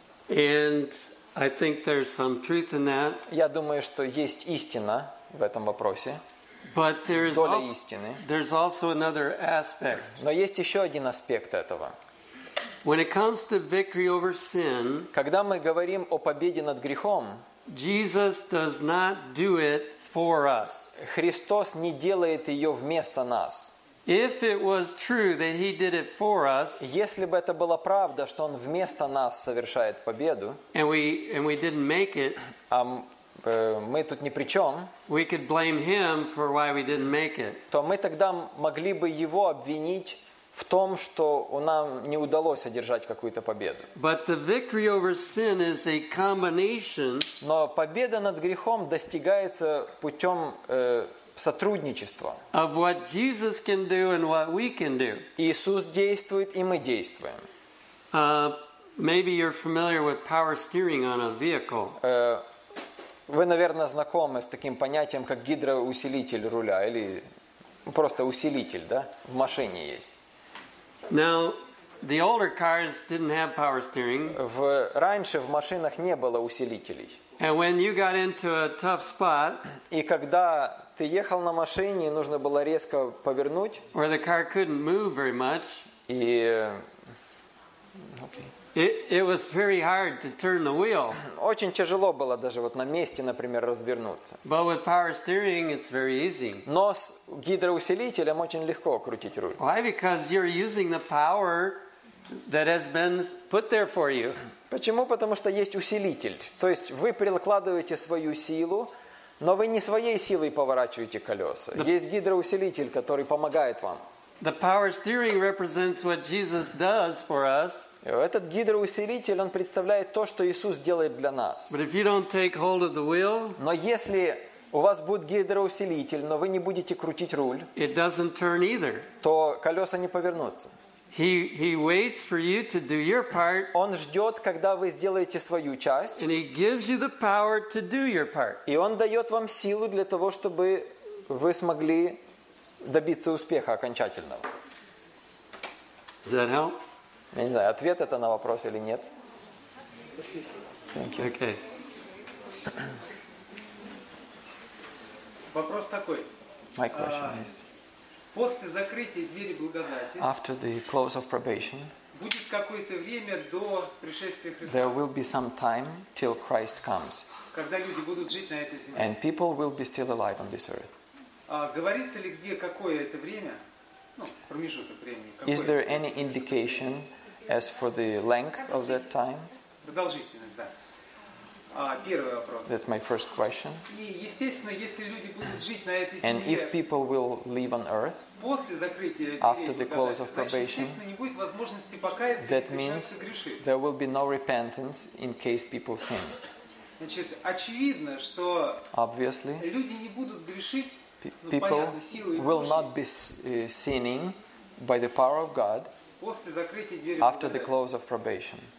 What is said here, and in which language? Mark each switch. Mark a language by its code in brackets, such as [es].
[en] And I think there's some truth in that. [ru] Я думаю, что есть истина в этом вопросе. [en] But there is [ru] доля истины. [en] There's also another aspect. [ru] Но есть еще один аспект этого. [en] When it comes to victory over sin, [ru] когда мы говорим о победе над грехом, [en] Jesus does not do it for us. [ru] Христос не делает ее вместо нас. [en] If it was true that he did it for us, [ru] если бы это была правда, что он вместо нас совершает победу, [en] and we didn't make it, [ru] мы тут ни при чем, [en] we could blame him for why we didn't make it. [ru] То мы тогда могли бы его обвинить в том, что нам не удалось одержать какую-то победу. [en] But the victory over sin is a combination. [ru] Но победа над грехом достигается путем сотрудничества. [en] Of what Jesus can do and what we can do. [ru] Иисус действует, и мы действуем. [en] Maybe you're familiar with power steering on a vehicle. [ru] Вы, наверное, знакомы с таким понятием, как гидроусилитель руля, или просто усилитель, да, в машине есть. [en] Now, the older cars didn't have power steering. [ru] Раньше в машинах не было усилителей. [en] And when you got into a tough spot, [ru] и когда ты ехал на машине, и нужно было резко повернуть, [en] or the car couldn't move very much, [ru] и [en] it was very hard to turn the wheel. [ru] Очень тяжело было даже вот на месте, например, развернуться. [en] But with power steering, it's very easy. [ru] Но с гидроусилителем очень легко крутить руль. [en] Why? Because you're using the power that has been put there for you. [ru] Почему? Потому что есть усилитель. То есть вы прикладываете свою силу, но вы не своей силой поворачиваете колеса. Есть гидроусилитель, который помогает вам. [en] The power steering represents what Jesus does for us. [ru] Этот гидроусилитель, он представляет то, что Иисус делает для нас. [en] But if you don't take hold of the wheel, [ru] но если у вас будет гидроусилитель, но вы не будете крутить руль, [en] it doesn't turn either. [ru] То колеса не повернутся. [en] He waits for you to do your part. [ru] Он ждет, когда вы сделаете свою часть. [en] And he gives you the power to do your part. [ru] И он дает вам силу для того, чтобы вы смогли добиться успеха окончательного. [en] Does that help? [ru] Я не знаю, ответ это на вопрос или нет. [en] Thank you. Okay. [ru] Вопрос такой. [en] My question is. [ru] После закрытия двери благодати. [en] After the close of probation. [ru] Будет какое-то время до пришествия Христа. [en] There will be some time till Christ comes. [ru] Когда люди будут жить на этой земле. [en] And people will be still alive on this earth. [ru] Говорится ли где какое это время? Ну, промежуток времени. [en] Is there any indication as for the length of that time? [ru] Продолжительность, да. Первый вопрос. [en] That's my first question. [ru] И естественно, если люди будут жить на этой земле, [en] and if people will live on earth, [ru] после закрытия дверей, [en] after the close of probation, [ru] значит, естественно, не будет возможности покаяться, [en] that means there will be no repentance in case people sin. [ru] Значит, очевидно, что [en] obviously [ru] люди не будут грешить [en] people will not be sinning by the power of God after the close of probation.